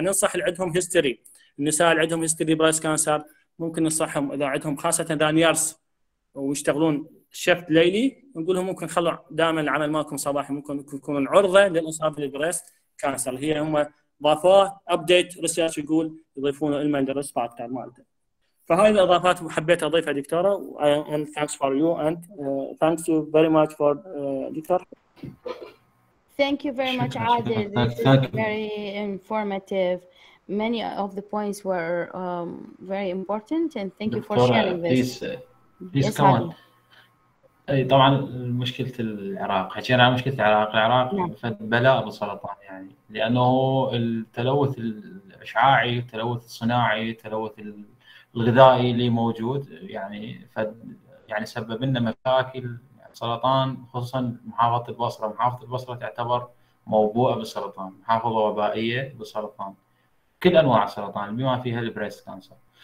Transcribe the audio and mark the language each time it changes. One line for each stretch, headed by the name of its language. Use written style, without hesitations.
Arabic: فننصح عندهم هيستوري، النساء اللي عندهم هيستوري بريست كانسر ممكن ننصحهم اذا عندهم خاصه اذا نيرس ويشتغلون شفت ليلي نقول لهم ممكن خلوا دائما العمل مالكم صباحي ممكن يكونون عرضه للاصابه بالبريست كانسر. هي هم ضافوه ابديت ريسيرش يقول يضيفون المن للريسك فاكتور مالته. فهاي الاضافات حبيت اضيفها دكتوره.
English: And thanks for you and thanks you very much for doctor. Thank you very much عادل. This is very informative. Many of the points were very important and thank you for sharing this. Please come on.
Arabic: اي طبعا مشكله العراق، حكينا عن مشكله العراق، العراق بلاء بالسرطان يعني لانه التلوث الاشعاعي، التلوث الصناعي، التلوث الغذائي اللي موجود يعني يعني سبب لنا مشاكل سرطان خصوصا محافظه البصره، محافظه البصره تعتبر موبوءه بالسرطان، محافظه وبائيه بالسرطان، كل انواع السرطان بما فيها البريست كانسر.